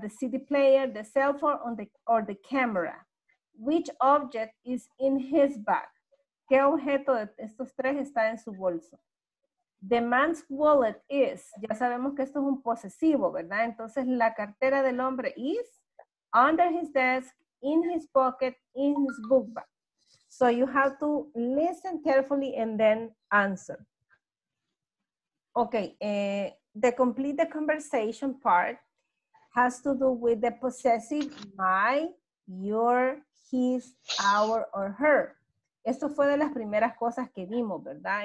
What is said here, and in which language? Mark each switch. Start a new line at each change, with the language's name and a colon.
English: The CD player, the cell phone, or the camera. Which object is in his bag?
Spanish: ¿Qué objeto de estos tres está en su bolso?
English: The man's wallet is,
Spanish: ya sabemos que esto es un posesivo, ¿verdad? Entonces, la cartera del hombre
English: is under his desk, in his pocket, in his book bag. So you have to listen carefully and then answer. Okay, the complete the conversation part has to do with the possessive my, your, his, our, or her.
Spanish: Esto fue de las primeras cosas que vimos, ¿verdad?